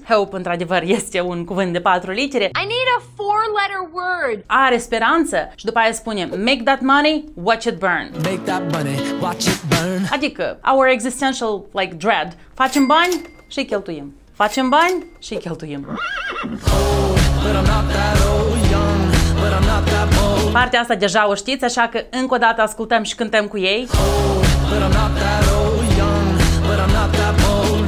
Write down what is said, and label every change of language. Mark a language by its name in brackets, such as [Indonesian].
[Romanian] Hope, într-adevăr, este un cuvânt de patru litere. [English] I need a four-letter word. [Romanian] Are speranță și după aia spune [English] make that money, watch it burn. Make that money, watch it burn. [Romanian] Adică, [English] our existential, like, dread. [Romanian] Facem bani și-i cheltuim. Facem bani și-i cheltuim. [English] Oh, but I'm not that old, young, but I'm not that bold. [Romanian] Partea asta deja o știți, așa că încă o dată ascultăm și cântăm cu ei. [English] Oh, but I'm not that old, young, but I'm not that bold.